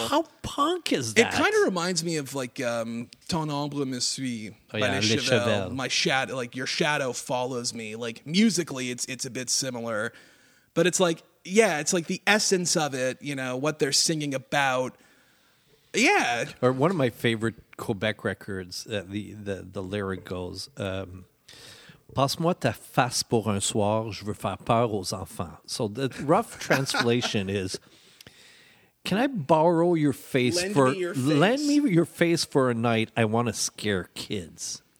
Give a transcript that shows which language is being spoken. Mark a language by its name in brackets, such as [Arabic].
[English] How punk is that? It kind of reminds me of like Ton Ombre Me Suit by Les Chevelles. My shadow, like your shadow follows me. Like musically it's a bit similar. But it's like, yeah, it's like the essence of it, you know, what they're singing about. Yeah. Or one of my favorite Quebec records, the lyric goes, [French] passe-moi ta face pour un soir, je veux faire peur aux enfants. [English] So the rough translation is, can I borrow your face lend me your face for a night, I want to scare kids.